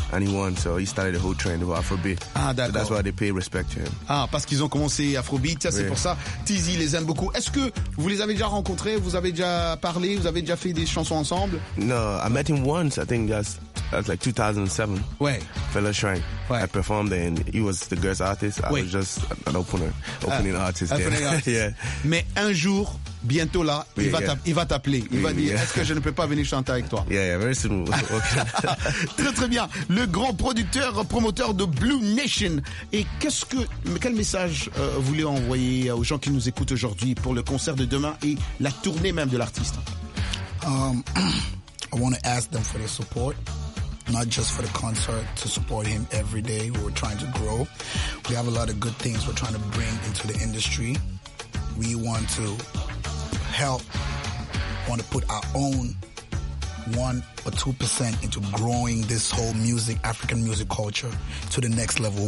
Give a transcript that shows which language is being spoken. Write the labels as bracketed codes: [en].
[en] And he won, so he started the whole trend of Afrobeat. [fr] Ah, d'accord. [en] So that's why they pay respect to him. [fr] Ah, parce qu'ils ont commencé Afrobeat, ça, c'est pour ça. TZ les aime beaucoup. Est-ce que vous les avez déjà rencontrés? Vous avez déjà parlé? Vous avez déjà fait des chansons ensemble? [en] No, I met him once, I think that's like 2007. Right. Fellow Shrine. Right. I performed there and he was the guest artist. I was just an opening artist. Yeah. [fr] Mais un jour, bientôt là, il va t'appeler. Il va dire, est-ce que je ne peux pas venir chanter avec toi? [en] Yeah, very soon. Okay. [fr] Très, très bien. Le grand producteur, promoteur de Blue Nation. Et quel message voulez-vous envoyer aux gens qui nous écoutent aujourd'hui pour le concert de demain et la tournée même de l'artiste? [en] I want to ask them for their support. Not just for the concert, to support him every day. We're trying to grow. We have a lot of good things we're trying to bring into the industry. We want to help, want to put our own 1 or 2% into growing this whole music, African music culture, to the next level.